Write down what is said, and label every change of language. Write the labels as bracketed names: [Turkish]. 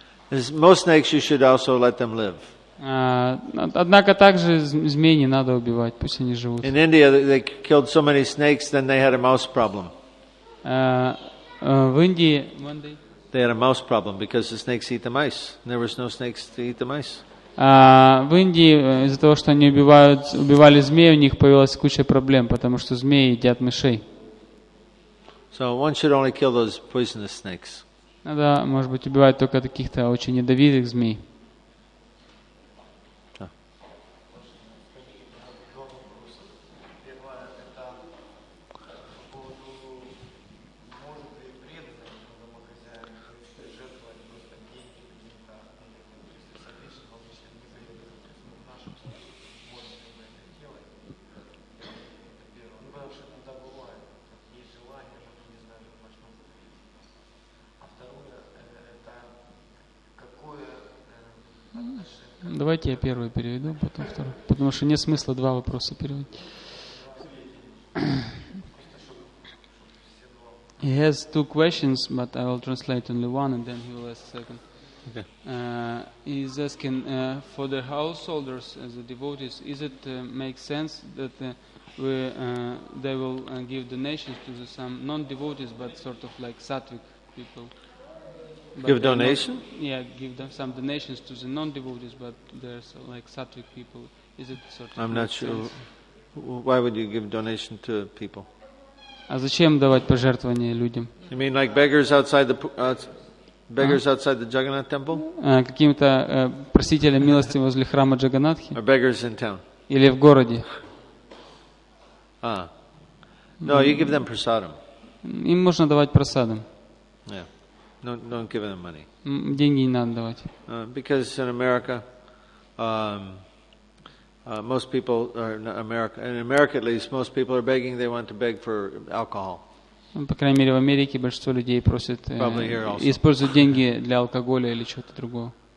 [English] As most snakes, you should also let them live. [Russian] Однако также змеи не надо убивать, пусть они живут. [English] In India, they killed so many snakes, then they had a mouse problem. [Russian] В Индии, [English] one day. They had a mouse problem because the snakes eat the mice. There was no snakes to eat the mice. [Russian] В Индии из-за того, что они убивали змей, у них появилась куча проблем, потому что змеи едят мышей. [English] So one should only kill those poisonous snakes. [Russian] Надо, может быть, убивать только каких-то очень ядовитых змей. Давайте я первый переведу, потом второй. Потому что нет смысла два вопроса переводить. [English] He has two questions, but I will translate only one and then he will ask the second. Okay. He's asking for the householders as the devotees, is it make sense that they will give donations to some non-devotees but sort of like sattvic people? But give donation? Not, yeah, give them some donations to the non-devotees, but there's like sattvic people. Is it sort of? I'm not sure. Why would you give donation to people? [Russian] А зачем давать пожертвования людям? [English] You mean like beggars outside the beggars outside the Jagannath temple? [Russian] Каким-то просителям милости возле храма Джаганатхи? [English] Or beggars in town? [Russian] Или в городе? [English] No, you give them prasadam. [Russian] Им можно давать прасадам. [English] Yeah. Don't give them money. [Russian] Деньги не надо давать. [English] Because in America, most people are in America. In America, at least, most people are begging. They want to beg for alcohol. [Russian] По крайней мере, в Америке большинство людей просят использовать деньги для алкоголя или чего-то другого.